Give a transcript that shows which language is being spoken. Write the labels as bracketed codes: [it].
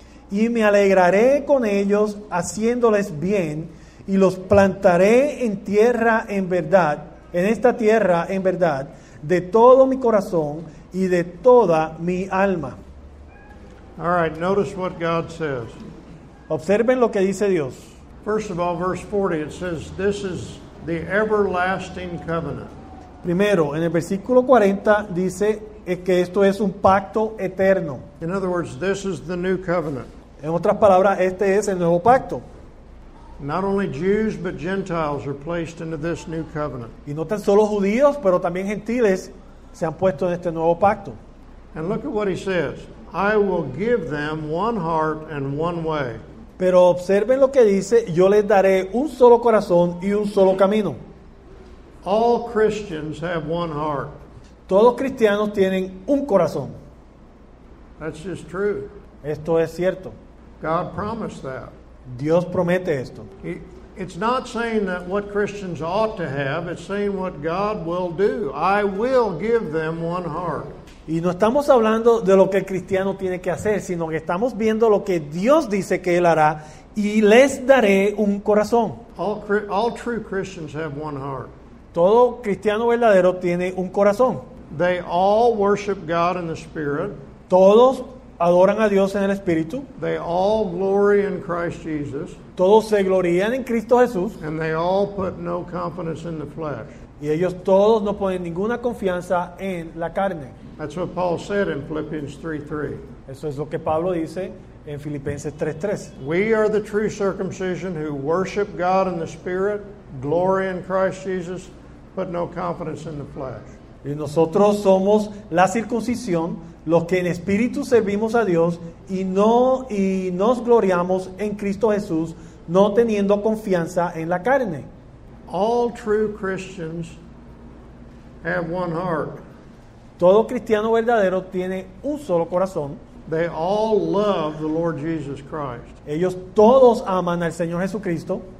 [es] Y me alegraré con ellos haciéndoles bien, y los plantaré en tierra en verdad, en esta tierra en verdad, de todo mi corazón y de toda mi alma. [en] All right, notice what God says. [es] Observen lo que dice Dios. [en] First of all, verse 40, it says, this is the everlasting covenant. [es] Primero, en el versículo 40 dice que esto es un pacto eterno. [en] In other words, this is the new covenant. [es] En otras palabras, este es el nuevo pacto. [en] Not only Jews, but Gentiles are placed into this new covenant. [es] Y no tan solo judíos, pero también gentiles se han puesto en este nuevo pacto. [en] And look at what he says. I will give them one heart and one way. [es] Pero observen lo que dice. Yo les daré un solo corazón y un solo camino. [en] All Christians have one heart. [es] Todos cristianos tienen un corazón. [en] That's just true. [es] Esto es cierto. [en] God promised that. [es] Dios promete esto. [en] It's not saying that what Christians ought to have, it's saying what God will do. I will give them one heart. [es] Y no estamos hablando de lo que el cristiano tiene que hacer, sino que estamos viendo lo que Dios dice que él hará, y les daré un corazón. [en] All true Christians have one heart. [es] Todo cristiano verdadero tiene un corazón. [en] They all worship God in the Spirit. [es] Todos adoran a Dios en el Espíritu. [en] They all glory in Christ Jesus. [es] Todos se glorían en Cristo Jesús. [en] And they all put no confidence in the flesh. [es] Y ellos todos no ponen ninguna confianza en la carne. [en] That's what Paul said in Philippians 3:3. [es] Eso es lo que Pablo dice en Filipenses 3:3. [en] We are the true circumcision who worship God in the Spirit, glory in Christ Jesus, put no confidence in the flesh. [es] Y nosotros somos la circuncisión, los que en espíritu servimos a Dios y nos gloriamos en Cristo Jesús, no teniendo confianza en la carne. [en] All true Christians have one heart. [es] Todo cristiano verdadero tiene un solo corazón. [en] They all love the Lord Jesus Christ. [es] Ellos todos aman al Señor Jesucristo.